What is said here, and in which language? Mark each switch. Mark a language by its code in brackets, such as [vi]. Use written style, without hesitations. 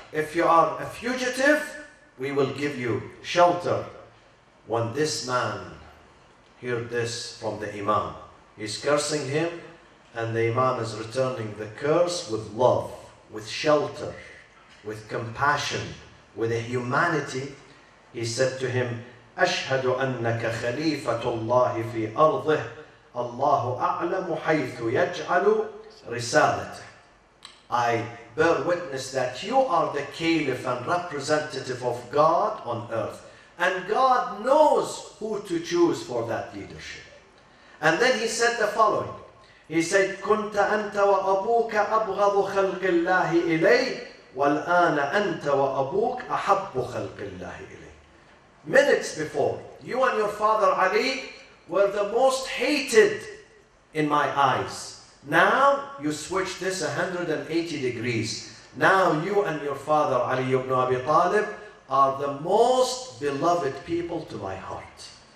[en] If you are a fugitive, we will give you shelter. When this man heard this from the Imam, he's cursing him, and the Imam is returning the curse with love, with shelter, with compassion, with a humanity. He said to him, [ar] أَشْهَدُ أَنَّكَ خَلِيفَةُ اللَّهِ فِي أَرْضِهِ اللَّهُ أَعْلَمُ حَيْثُ يَجْعَلُ رِسَالَتَهِ. [en] I bear witness that you are the caliph and representative of God on earth. And God knows who to choose for that leadership. And then he said the following. He said, [ar] كُنْتَ أَنْتَ وَأَبُوكَ أَبْغَضُ خَلْقِ اللَّهِ إِلَيْهِ والآن أنت وأبوك أحب خلق الله إليه. [en] Minutes before, you and your father Ali were the most hated in my eyes. Now you switch this 180 degrees. Now you and your father Ali ibn Abi Talib are the most beloved people to my heart.